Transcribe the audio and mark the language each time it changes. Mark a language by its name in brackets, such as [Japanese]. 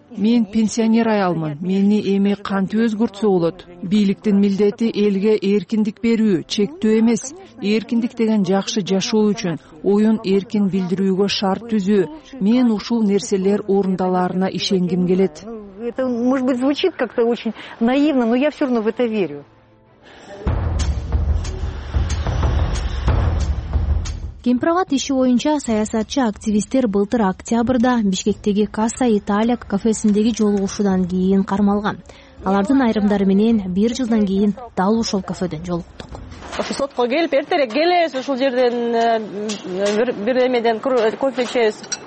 [Kyrgyz] Мен пенсионер аялмын. Мени эми кантип өзгөртсө болот? Бийликтин милдети элге эркиндик берүү, чектөө эмес. Эркиндик деген жакшы жашоо үчүн оюн эркин билдирүүгө шарт түзүү. Мен ушул нерселер орундаларына ишенгим келет. [Russian] Это, может быть, звучит как-то очень наивно, но я всё равно в это верю. [Kyrgyz] Кемпироват иши боюнча саясатчы активисттер былтыр октябрда Бишкектеги Каса Италия кафесиндеги жолугушуудан кийин кармалган. Алардын айрымдары менен бир жылдан кийин дал ушул кафеден жолуктук. Ошо сотко келип эртерээк келебиз, ушул жерден бир эмеден кофе ичебиз.